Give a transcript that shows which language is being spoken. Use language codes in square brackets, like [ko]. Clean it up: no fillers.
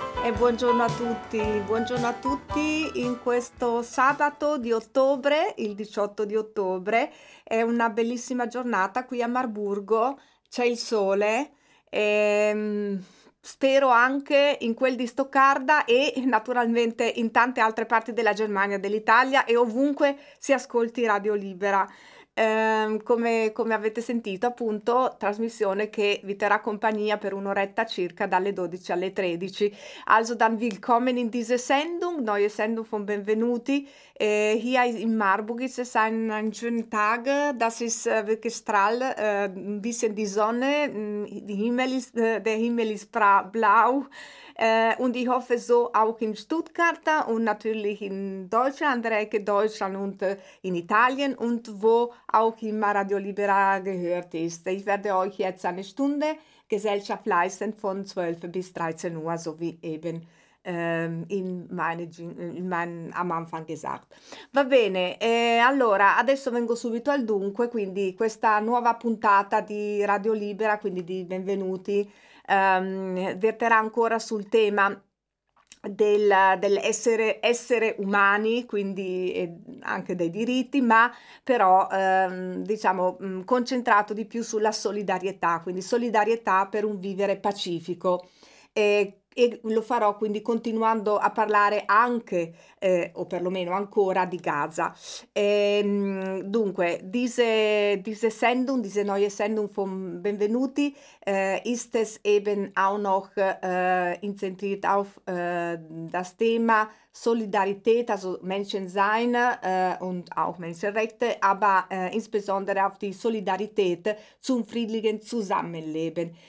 [it] Buongiorno a tutti in questo sabato di ottobre, il 18 di ottobre, è una bellissima giornata qui a Marburgo, c'è il sole, e spero anche in quel di Stoccarda e naturalmente in tante altre parti della Germania, dell'Italia e ovunque si ascolti Radio Libera. Come avete sentito, appunto, trasmissione che vi terrà compagnia per un'oretta circa dalle 12 alle 13. [de] Also dann willkommen in diese Sendung, neue Sendung von Benvenuti. Hier in Marburg ist es ein schöner Tag, das ist wirklich strahl, ein bisschen die Sonne, der Himmel ist blau. Und ich hoffe so auch in Stuttgart und natürlich in Deutschland, Reike Deutschland und in Italien und wo auch immer Radio Libera gehört ist. Ich werde euch jetzt eine Stunde Gesellschaft leisten von 12 bis 13 Uhr, so wie eben am Anfang gesagt. [it] Va bene, allora adesso vengo subito al dunque, quindi questa nuova puntata di Radio Libera, quindi di Benvenuti, verterà ancora sul tema dell'essere umani, quindi anche dei diritti, ma però diciamo concentrato di più sulla solidarietà, quindi solidarietà per un vivere pacifico. E lo farò quindi continuando a parlare anche, o perlomeno ancora, di Gaza. Dunque, [de] diese Sendung, diese neue Sendung von Benvenuti, ist es eben auch noch inzentriert auf das Thema Solidarität, also Menschensein und auch Menschenrechte, aber insbesondere auf die Solidarität zum friedlichen Zusammenleben.